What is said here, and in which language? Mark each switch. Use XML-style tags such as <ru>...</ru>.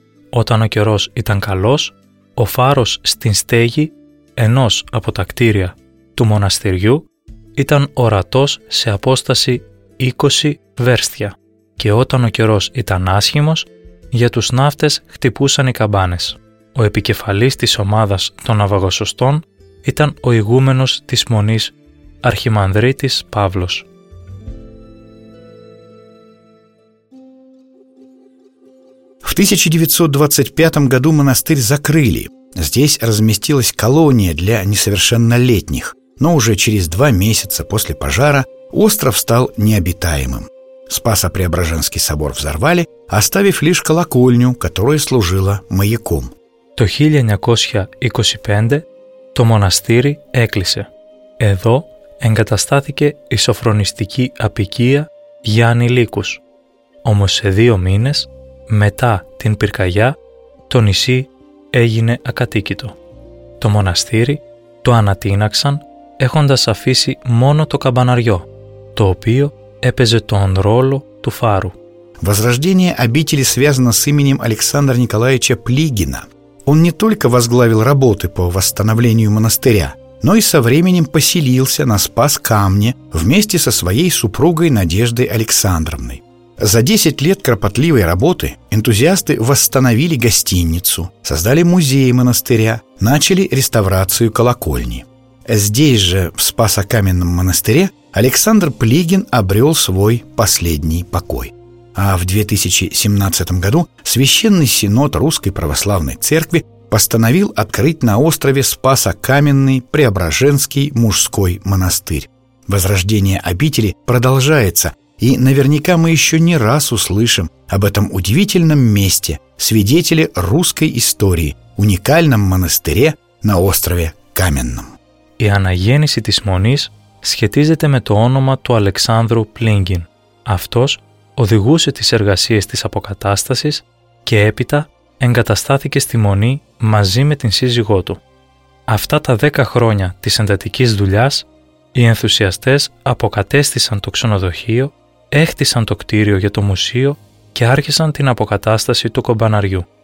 <el>Όταν ο καιρός ήταν καλός, ο φάρος στην στέγη ενός από τα κτίρια του μοναστηριού ήταν ορατός σε απόσταση 20 βέρστια και όταν ο καιρός ήταν άσχημος, για τους ναύτες χτυπούσαν οι καμπάνες. Ο επικεφαλής της ομάδας των ναυαγοσωστών ήταν ο ηγούμενος της Μονής, Αρχιμανδρίτης Παύλος.</el> <ru>В 1925 году монастырь закрыли. Здесь разместилась колония для несовершеннолетних. Но уже через 2 месяца после пожара остров стал необитаемым. Спасо-Преображенский собор взорвали, оставив лишь колокольню, которая служила маяком.</ru> <el>Το 1925 το μοναστήρι έκλεισε. Εδώ εγκαταστάθηκε η σοφρονιστική απικία για ανηλίκους. Όμως σε 2 μήνες μετά την πυρκαγιά, το νησί έγινε ακατοίκητο. Το μοναστήρι το ανατείναξαν έχοντας αφήσει μόνο το καμπαναριό, το οποίο έπαιζε τον ρόλο του φάρου.</el> <ru>Возрождение обители связано с именем Александра Николаевича Плигина. Он не только возглавил работы по восстановлению монастыря, но и со временем поселился на Спас-Камне вместе со своей супругой Надеждой Александровной. За 10 лет кропотливой работы энтузиасты восстановили гостиницу, создали музей монастыря, начали реставрацию колокольни. Здесь же, в Спасокаменном монастыре, Александр Плигин обрел свой последний покой. А в 2017 году Священный Синод Русской Православной Церкви постановил открыть на острове Спасокаменный Преображенский мужской монастырь. Возрождение обители продолжается – и наверняка мы еще не раз услышим об этом удивительном месте, свидетеле русской истории, уникальном монастыре на острове Каменном.</ru> <el>Η αναγέννηση της Μονής σχετίζεται με το όνομα του Αλεξάνδρου Πλίγκιν. Αυτός οδηγούσε τις εργασίες της αποκατάστασης και έπειτα εγκαταστάθηκε στη Μονή μαζί με την σύζυγό του. Αυτά τα 10 χρόνια της εντατικής δουλειάς, οι ενθουσιαστές αποκατέστησαν το ξενοδοχείο, έχτισαν το κτίριο για το μουσείο και άρχισαν την αποκατάσταση του κομπαναριού.</el>